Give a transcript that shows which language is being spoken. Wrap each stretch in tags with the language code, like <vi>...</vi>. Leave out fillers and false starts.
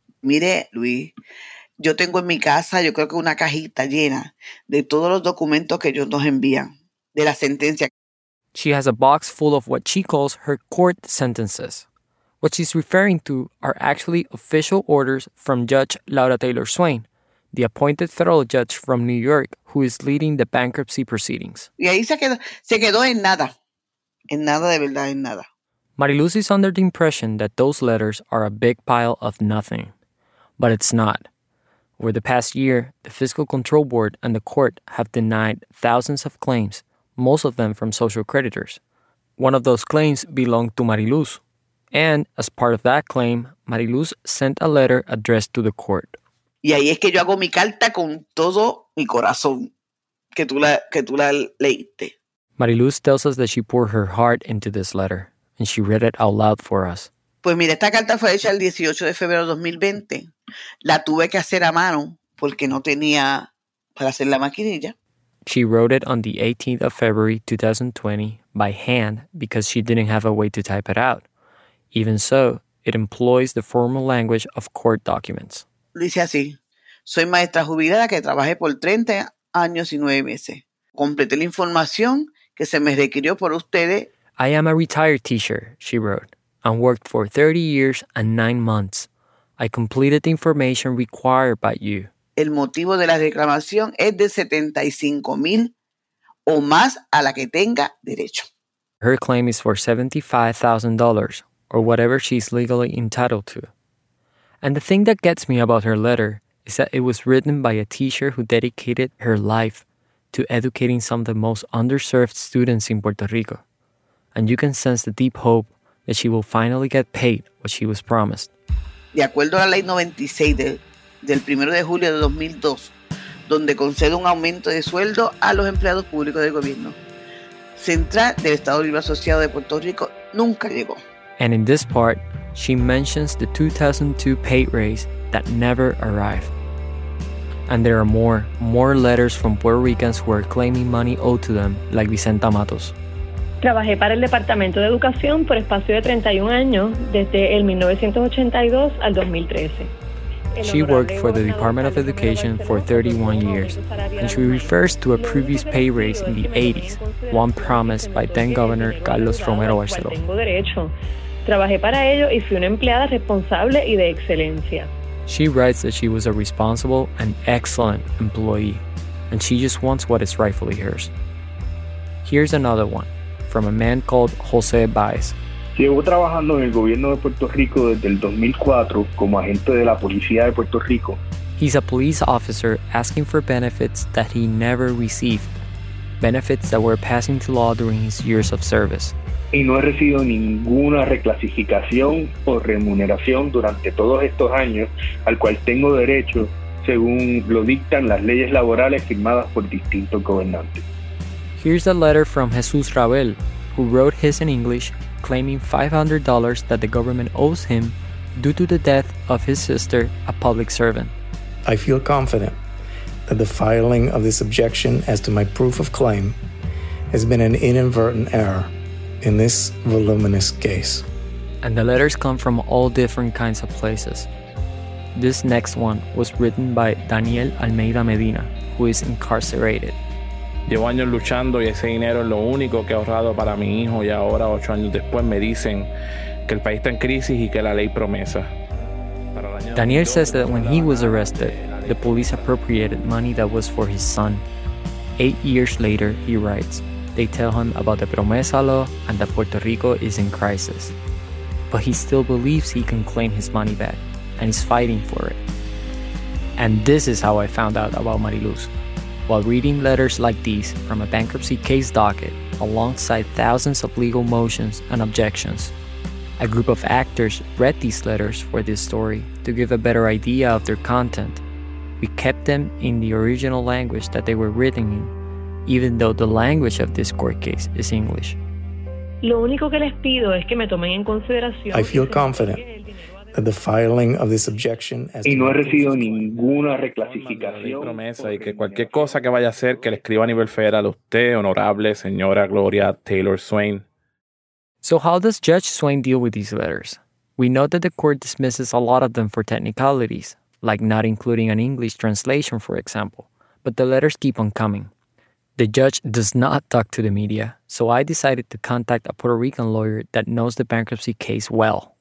<es>Mire, Luis, yo tengo en mi casa, yo creo que una cajita llena de todos los documentos que ellos nos envían, de la sentencia.</es> <en>She has a box full of what she calls her court sentences. What she's referring to are actually official orders from Judge Laura Taylor Swain, the appointed federal judge from New York who is leading the bankruptcy proceedings.</en> <es>Y ahí se quedó en nada. En nada de verdad, en nada.</es> <en>Mariluz is under the impression that those letters are a big pile of nothing. But it's not. Over the past year, the Fiscal Control Board and the court have denied thousands of claims, most of them from social creditors. One of those claims belonged to Mariluz. And as part of that claim, Mariluz sent a letter addressed to the court.</en> <es>Y ahí es que yo hago mi carta con todo mi corazón, que tú la leíste.</es> <en>Mariluz tells us that she poured her heart into this letter, and she read it out loud for us.</en> <es>Pues mira, esta carta fue hecha el 18 de febrero de 2020. La tuve que hacer a mano porque no tenía para hacer la maquinilla.</es> <en>She wrote it on the 18th of February 2020 by hand because she didn't have a way to type it out. Even so, it employs the formal language of court documents.</en> <es>Dice así, soy maestra jubilada que trabajé por 30 años y 9 meses. Completé la información que se me requirió por ustedes.</es> <en>I am a retired teacher, she wrote, and worked for 30 years and 9 months. I completed the information required by you.</en> <es>El motivo de la reclamación es de 75,000 o más a la que tenga derecho.</es> <en>Her claim is for $75,000 or whatever she's legally entitled to. And the thing that gets me about her letter is that it was written by a teacher who dedicated her life to educating some of the most underserved students in Puerto Rico. And you can sense the deep hope that she will finally get paid what she was promised.</en> <es>De acuerdo a la ley 96 del 1 de julio de 2002, donde concede un aumento de sueldo a los empleados públicos del gobierno central del Estado Libre Asociado de Puerto Rico, nunca llegó.</es> <en>And in this part, she mentions the 2002 pay raise that never arrived. And there are more letters from Puerto Ricans who are claiming money owed to them, like Vicenta Matos.</en> <es>Trabajé para el Departamento de Educación por espacio de 31 años, desde el 1982 al 2013.</es> <en>She worked for the Department of Education for 31 years, and she refers to a previous pay raise in the 80s, one promised by then-Governor Carlos Romero Barceló.</en> <es>Trabajé para ello y fui una empleada responsable y de excelencia.</es> <en>She writes that she was a responsible and excellent employee, and she just wants what is rightfully hers. Here's another one, from a man called José Baez.</en> <es>Llevo trabajando en el gobierno de Puerto Rico desde el 2004 como agente de la policía de Puerto Rico.</es> <en>He's a police officer asking for benefits that he never received, benefits that were passing to law during his years of service.</en> <es>Y no he recibido ninguna reclasificación o remuneración durante todos estos años al cual tengo derecho según lo dictan las leyes laborales firmadas por distintos gobernantes.</es> <en>Here's a letter from Jesús Ravel, who wrote his in English, claiming $500 that the government owes him due to the death of his sister, a public servant. I feel confident that the filing of this objection as to my proof of claim has been an inadvertent error in this voluminous case. And the letters come from all different kinds of places. This next one was written by Daniel Almeida Medina, who is incarcerated.</en> <es>Llevo años luchando y ese dinero es lo único que he ahorrado para mi hijo y ahora, 8 años después, me dicen que el país está en crisis y que la ley promesa.</es> <en>Daniel says that when he was arrested, the police appropriated money that was for his son. 8 years later, he writes, they tell him about the promesa law and that Puerto Rico is in crisis. But he still believes he can claim his money back, and he's fighting for it. And this is how I found out about Mariluz. While reading letters like these from a bankruptcy case docket, alongside thousands of legal motions and objections, a group of actors read these letters for this story to give a better idea of their content. We kept them in the original language that they were written in, even though the language of this court case is English.</en> <es>Lo único que les pido es que me tomen en consideración.</es> <en>I feel confident that the filing of this objection has</en> <es>y no he recibido ninguna reclasificación promesa y que cualquier cosa que vaya a hacer que le escriba a nivel federal a usted, honorable señora Gloria Taylor Swain.</es> <en>So how does Judge Swain deal with these letters? We know that the court dismisses a lot of them for technicalities, like not including an English translation, for example, but the letters keep on coming. The judge does not talk to the media, so I decided to contact a Puerto Rican lawyer that knows the bankruptcy case well.</en>